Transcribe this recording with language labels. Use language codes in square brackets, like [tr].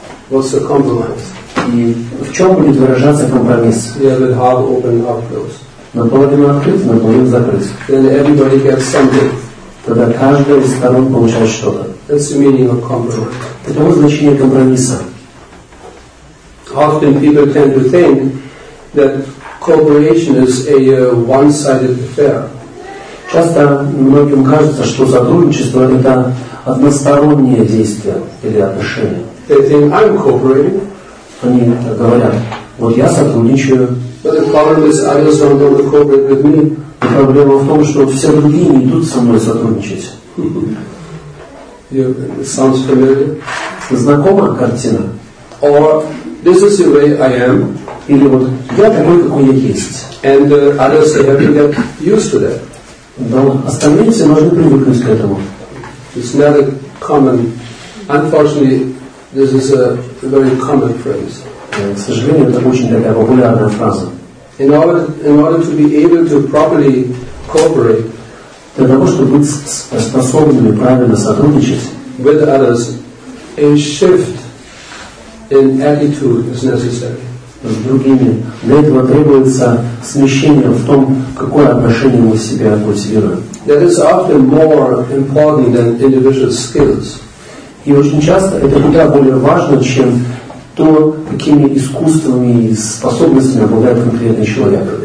[en] What's the compromise? [ru] И в чем будет выражаться компромисс? [en] Yeah, but half open, half closed. [ru] Наполовину открыть, наполовину закрыть. [en] Then everybody gets something. [ru] Тогда каждая из сторон получает что-то. [en] That's the meaning of compromise. [ru] Таково значение компромисса. [en] Often people tend to think that cooperation is a one-sided affair. [ru] Часто многим кажется, что сотрудничество – это одностороннее действие или отношение. [en] They think I'm cooperating. [ru] Они говорят, вот я сотрудничаю. [en] But the problem is, I just don't want to cooperate with me. [ru] И проблема в том, что все другие не идут со мной сотрудничать. [en] Sounds familiar. [ru] Знакома картина? [en] Or, this is the way I am. [ru] Или вот, я такой, какой я есть. [en] And others have to get used to that. [ru] Но остальные все должны привыкнуть к этому. [en] It's not a common, unfortunately, this is a very common phrase. [ru] К сожалению, это очень такая популярная фраза. [en] In order to be able to properly cooperate, [ru] для того, чтобы быть способными правильно сотрудничать, [en] with others, a shift in attitude is necessary. [ru] С другими. Для этого требуется смещение в том, какое отношение мы себя культивируем. [en] That is often more important than individual skills. [ru] И очень часто это куда более важно, чем то, какими искусствами и способностями обладает конкретный человек.